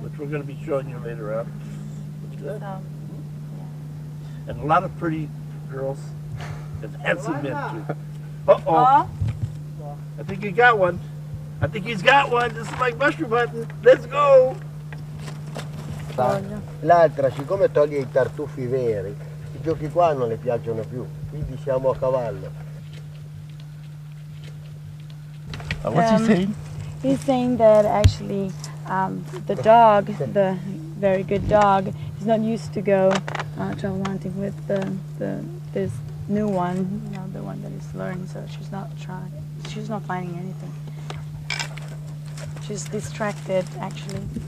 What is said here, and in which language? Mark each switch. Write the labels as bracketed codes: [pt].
[en] Which we're going to be showing you later on. Yeah. And a lot of pretty girls and handsome men too. I think he got one. I think he's got one. This is like mushroom hunting. Let's go. [it] L'altra, siccome toglie i tartufi veri, i giochi qua non le piacciono più. Quindi siamo a cavallo. [en] What's he saying? He's saying that actually the dog, the very good dog, is not used to go travel hunting with this new one, you know, the one that is learning, so she's not trying. She's not finding anything. She's distracted, actually.